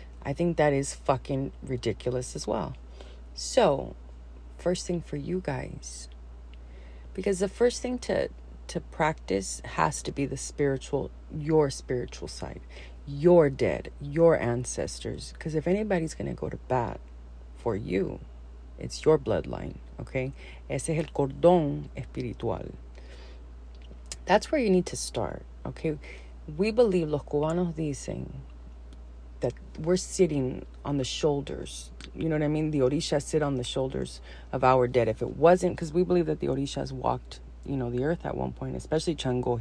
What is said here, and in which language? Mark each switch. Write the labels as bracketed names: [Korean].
[English] I think that is fucking ridiculous as well. So, first thing for you guys, because the first thing to practice has to be the spiritual, your spiritual side, your dead, your ancestors. Because if anybody's going to go to bat for you, it's your bloodline, okay? [Spanish] Ese es el cordón espiritual. [English] That's where you need to start, okay? We believe, [Spanish] los cubanos dicen, [English] that we're sitting on the shoulders. You know what I mean? The orishas sit on the shoulders of our dead. If it wasn't, because we believe that the orishas walked, you know, the earth at one point, especially Chango.